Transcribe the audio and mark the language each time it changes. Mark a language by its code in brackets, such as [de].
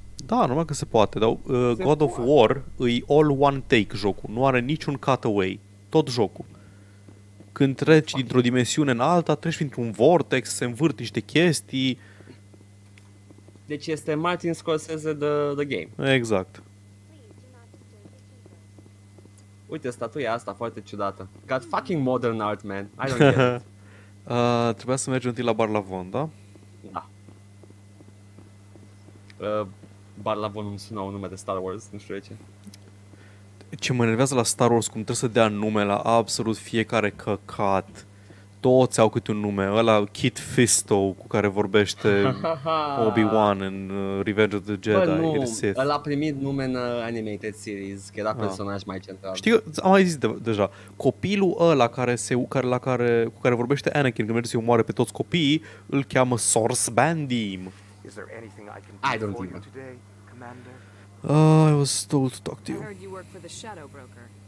[ro] Da, normal că se poate, dar God of War îi [en] all one take [ro] jocul, nu are niciun cutaway, tot jocul. Când treci dintr-o dimensiune în alta, treci printr-un vortex, se învârt niște chestii. Deci este Martin Scorsese the game. Exact. Uite, statuia asta foarte ciudată. [en] Got fucking modern art, man. I don't get it. [ro] Trebuia să mergem întâi la Bar Lavon, da? Da. Bar Lavon îmi sună un nume de Star Wars, nu știu de ce. Ce mă enervează la Star Wars, cum trebuie să dea nume la absolut fiecare căcat. Toți au câte un nume. Ăla Kit Fisto, cu care vorbește Obi-Wan în Revenge of the Jedi. Bă, nu. Ăla a primit nume în Animated Series, că era personaj mai central. Știi, am mai zis deja. Copilul ăla cu care vorbește Anakin, când merge să-i omoare pe toți copiii, îl cheamă Source Bandim. [en] Is there anything I can do I don't for you today, Commander? I was told to talk to you. I heard you work for the Shadow Broker.